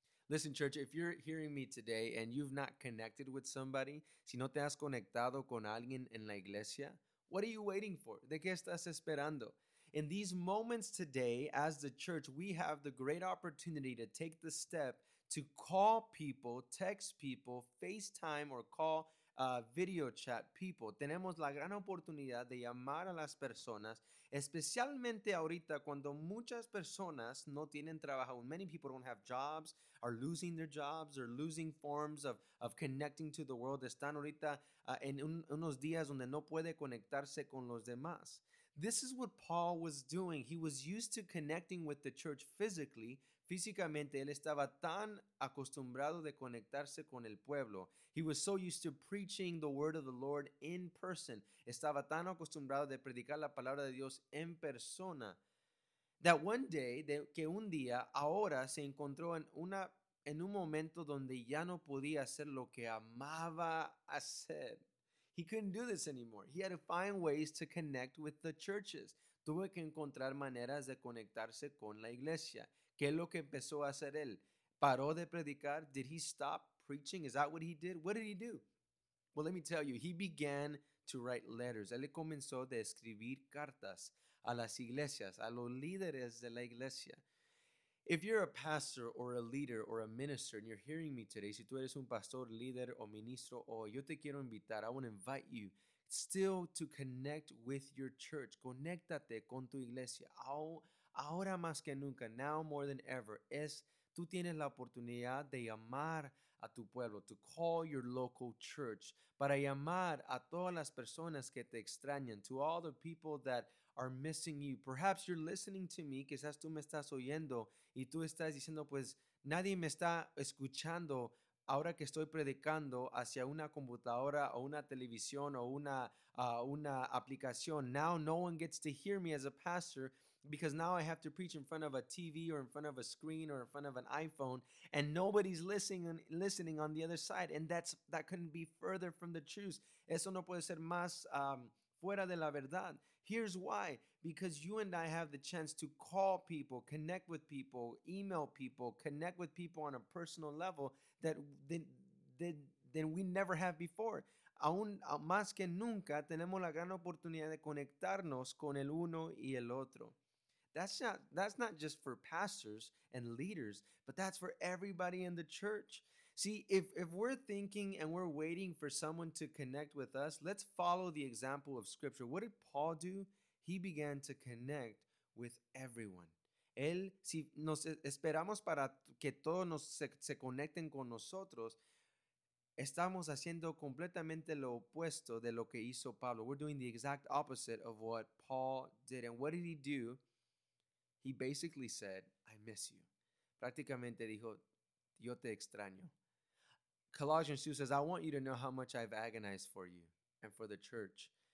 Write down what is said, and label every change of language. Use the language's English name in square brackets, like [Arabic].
[English] Listen, church, if you're hearing me today and you've not connected with somebody, [Spanish] si no te has conectado con alguien en la iglesia, [English] what are you waiting for? [Spanish] ¿De qué estás esperando? [English] In these moments today, as the church, we have the great opportunity to take the step to call people, text people, FaceTime or call video chat people. [Spanish] Tenemos la gran oportunidad de llamar a las personas, especialmente ahorita cuando muchas personas no tienen trabajo. [English] Many people don't have jobs, are losing their jobs, are losing forms of connecting to the world. [Spanish] Están ahorita unos días donde no puede conectarse con los demás. [English] This is what Paul was doing. He was used to connecting with the church physically. [Spanish] Físicamente, él estaba tan acostumbrado de conectarse con el pueblo. [English] He was so used to preaching the word of the Lord in person. [Spanish] Estaba tan acostumbrado de predicar la palabra de Dios en persona. [English] That one day, [Spanish] que un día, ahora se encontró en un momento donde ya no podía hacer lo que amaba hacer. [English] He couldn't do this anymore. He had to find ways to connect with the churches. [Spanish] Tuvo que encontrar maneras de conectarse con la iglesia. ¿Qué es lo que empezó a hacer él? ¿Paró de predicar? [English] Did he stop preaching? Is that what he did? What did he do? Well, let me tell you. He began to write letters. [Spanish] Él comenzó de escribir cartas a las iglesias, a los líderes de la iglesia. [English] If you're a pastor or a leader or a minister and you're hearing me today, [Spanish] si tú eres un pastor, líder o ministro, yo te quiero invitar, [English] I want to invite you still to connect with your church. [Spanish] Conéctate con tu iglesia. Ahora más que nunca, [English] now more than ever, [Spanish] tú tienes la oportunidad de llamar a tu pueblo, [English] to call your local church, [Spanish] para llamar a todas las personas que te extrañan, [English] to all the people that are missing you. Perhaps you're listening to me, [Spanish] quizás tú me estás oyendo, y tú estás diciendo, pues nadie me está escuchando ahora que estoy predicando hacia una computadora o una televisión o una aplicación. [English] Now no one gets to hear me as a pastor because now I have to preach in front of a TV or in front of a screen or in front of an iPhone and nobody's listening on the other side. And that couldn't be further from the truth. [Spanish] Eso no puede ser más fuera de la verdad. [English] Here's why. Because you and I have the chance to call people, connect with people, email people, connect with people on a personal level that we never have before. [Spanish] Aún más que nunca, tenemos la gran oportunidad de conectarnos con el uno y el otro. [English] That's not just for pastors and leaders, but that's for everybody in the church. See, if we're thinking and we're waiting for someone to connect with us, let's follow the example of Scripture. What did Paul do? He began to connect with everyone. [Spanish] Él, si nos esperamos para que todos se conecten con nosotros, estamos haciendo completamente lo opuesto de lo que hizo Pablo. [English] We're doing the exact opposite of what Paul did. And what did he do? He basically said, I miss you. [Spanish] Prácticamente dijo, yo te extraño. [English] Colossians 2 says, I want you to know how much I've agonized for you and for the church.